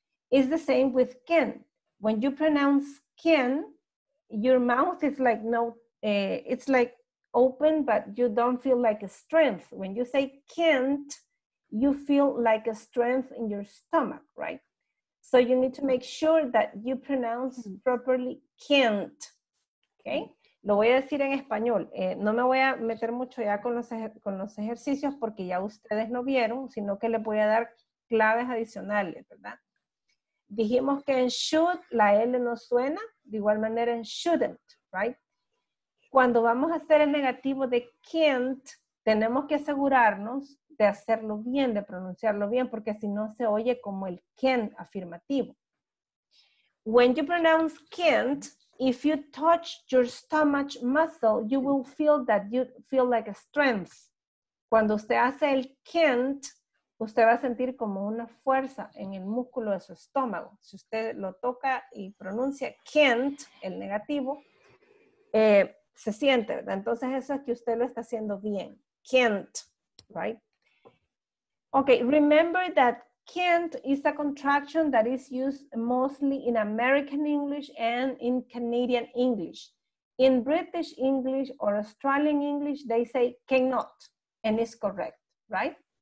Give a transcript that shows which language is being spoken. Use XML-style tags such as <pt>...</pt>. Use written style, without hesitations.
<en>It's the same with can. When you pronounce can, your mouth is like no, it's like open, but you don't feel like a strength. When you say can't, you feel like a strength in your stomach, right? So you need to make sure that you pronounce properly can't, okay?</en> <es>Lo voy a decir en español. No me voy a meter mucho ya con los ejercicios porque ya ustedes lo vieron, sino que les voy a dar claves adicionales, ¿verdad? Dijimos que en should la L no suena, de igual manera en shouldn't, right? Cuando vamos a hacer el negativo de can't, tenemos que asegurarnos de hacerlo bien, de pronunciarlo bien, porque si no se oye como el can afirmativo.</es> <en>When you pronounce can't, if you touch your stomach muscle, you will feel that you feel like a strength.</en> <es>Cuando usted hace el can't, usted va a sentir como una fuerza en el músculo de su estómago. Si usted lo toca y pronuncia can't, el negativo, se siente, ¿verdad? Entonces eso es que usted lo está haciendo bien.</es> <en>Can't, right? Okay, remember that can't is a contraction that is used mostly in American English and in Canadian English. In British English or Australian English, they say cannot, and it's correct, right?</en>